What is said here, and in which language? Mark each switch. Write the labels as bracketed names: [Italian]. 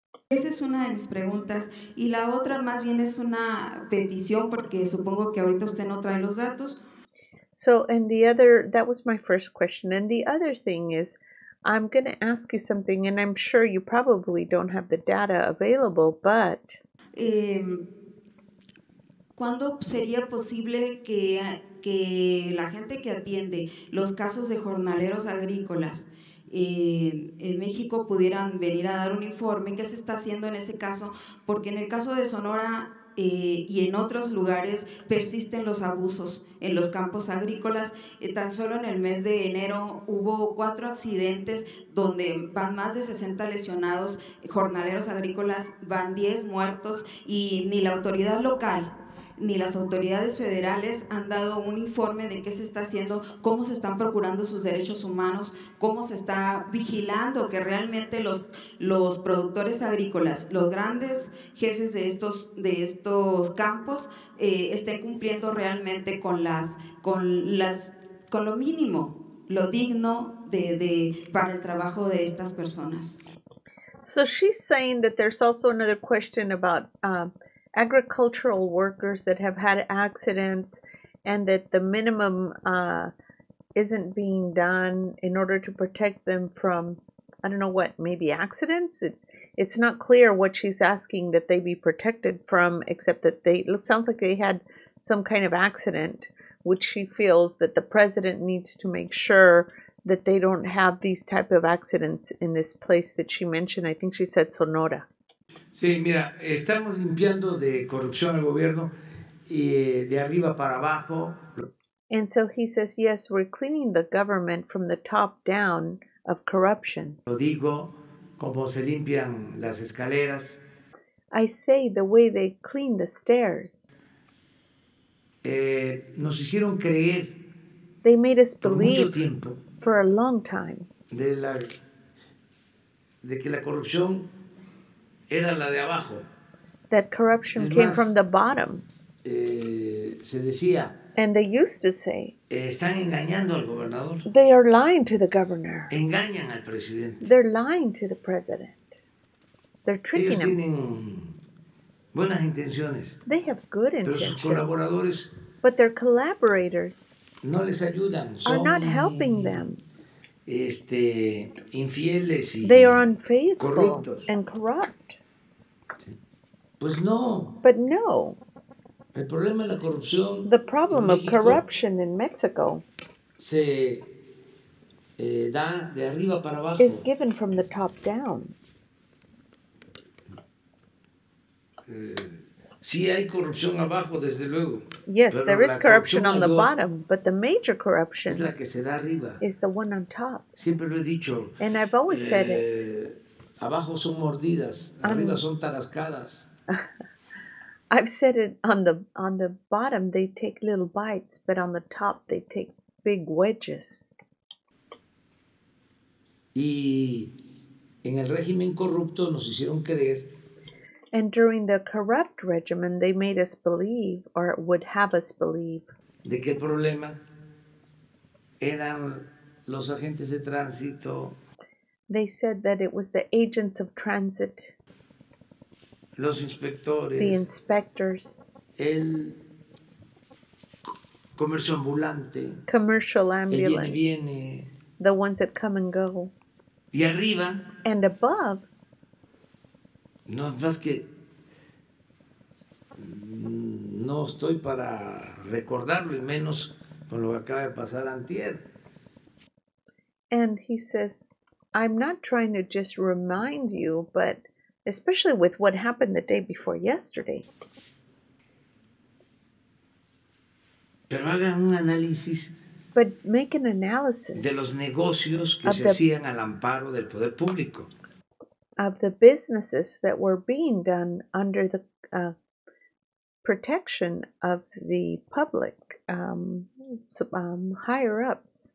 [Spanish] Esa es una de mis preguntas, y la otra más bien es una petición, porque supongo que ahorita usted no trae los datos. [English] So, and the other, that was my first question, and the other thing is, I'm going to ask you something, and I'm sure you probably don't have the data available, but... [Spanish] ¿Cuándo sería posible que la gente que atiende los casos de jornaleros agrícolas en México pudieran venir a dar un informe? ¿Qué se está haciendo en ese caso? Porque en el caso de Sonora y en otros lugares persisten los abusos en los campos agrícolas. Tan solo en el mes de enero hubo 4 accidentes donde van más de 60 lesionados, jornaleros agrícolas, van 10 muertos, y ni la autoridad local ni las autoridades federales han dado un informe de qué se está haciendo, cómo se están procurando sus derechos humanos, cómo se está vigilando que realmente los productores agrícolas, los grandes jefes de estos campos, estén cumpliendo realmente con lo mínimo, lo digno de para el trabajo de estas personas. [English] So she's saying that there's also another question about agricultural workers that have had accidents, and that the minimum isn't being done in order to protect them from, I don't know what, maybe accidents? It's not clear what she's asking that they be protected from, except that they, it sounds like they had some kind of accident, which she feels that the president needs to make sure that they don't have these type of accidents in this place that she mentioned. I think she said Sonora. [Spanish] Sí, mira, estamos limpiando de corrupción al gobierno y de arriba para abajo. [English] And so he says, yes, we're cleaning the government from the top down of corruption. [Spanish] Lo digo como se limpian las escaleras. [English] I say the way they clean the stairs. [Spanish] Nos hicieron creer. [English] They made us believe [Spanish] mucho tiempo [English] for a long time. [Spanish] De que la corrupción era la de abajo. [English] That corruption [Spanish] más, [English] came from the bottom. [Spanish] Se decía. [English] And they used to say. [Spanish] Están engañando al gobernador. [English] They are lying to the governor. [Spanish] Engañan al presidente. [English] They're lying to the president. They're tricking [Spanish] Ellos [English] him. [Spanish] Ellos tienen buenas intenciones. [English] They have good intentions. [Spanish] Pero sus colaboradores. [English] But their collaborators. [Spanish] No les ayudan. [English] Are not helping them. [Spanish] Infieles y [English] they are unfaithful [Spanish] corruptos. [English] And corrupt. [Spanish] Pues no. [English] But no. [Spanish] El problema de la corrupción. [English] The problem of corruption in Mexico. [Spanish] Se da de arriba para abajo. [English] Is given from the top down. [Spanish] Sí hay corrupción abajo, desde luego. [English] Yes, [Spanish] pero [English] there is corruption on the bottom, but the major corruption [Spanish] es la que se da arriba. [English] Is the one on top. [Spanish] Siempre lo he dicho. [English] And I've always said it. [Spanish] Abajo son mordidas, arriba son tarascadas. [English] I've said it on the bottom they take little bites, but on the top they take big wedges. [Spanish] Y en el régimen corrupto nos hicieron creer. [English] And during the corrupt regimen, they made us believe, or would have us believe. [Spanish] ¿De qué problema? Eran los agentes de tránsito. [English] They said that it was the agents of transit. [Spanish] Los inspectores. [English] The inspectors. [Spanish] El comercio ambulante. [English] Commercial ambulance. [Spanish] El viene. [English] The ones that come and go. [Spanish] Y arriba. [English] And above. [Spanish] No, más que no estoy para recordarlo, y menos con lo que acaba de pasar antier. [English] And he says, I'm not trying to just remind you, but especially with what happened the day before yesterday. [Spanish] Pero hagan un análisis. [English] But make an analysis. [Spanish] De los negocios que se hacían al amparo del poder público. [English] Of the businesses that were being done under the protection of the public, higher ups.